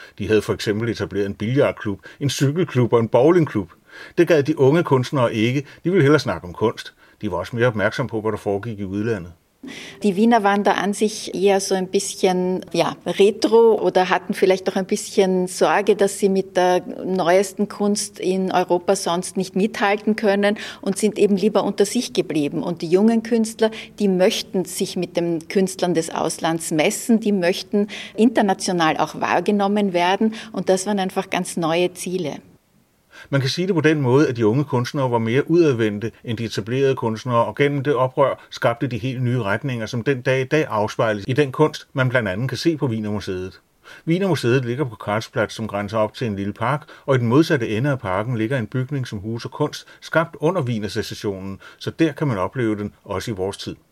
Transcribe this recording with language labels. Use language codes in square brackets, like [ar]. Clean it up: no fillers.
[da] De havde for eksempel etableret en billardklub, en cykelklub og en bowlingklub. Det gad de unge kunstnere ikke, de ville hellere snakke om kunst. De var også mere opmærksomme på, hvad der foregik i udlandet. [de] Die Wiener waren da an sich eher so ein bisschen ja, retro oder hatten vielleicht auch ein bisschen Sorge, dass sie mit der neuesten Kunst in Europa sonst nicht mithalten können und sind eben lieber unter sich geblieben. Und die jungen Künstler, die möchten sich mit den Künstlern des Auslands messen, die möchten international auch wahrgenommen werden und das waren einfach ganz neue Ziele. [da] Man kan sige det på den måde, at de unge kunstnere var mere udadvendte end de etablerede kunstnere, og gennem det oprør skabte de helt nye retninger, som den dag i dag afspejles i den kunst, man blandt andet kan se på Wienermuseet. Wienermuseet ligger på Karlsplatz, som grænser op til en lille park, og i den modsatte ende af parken ligger en bygning, som huser kunst, skabt under Wienersecessionen, så der kan man opleve den også i vores tid.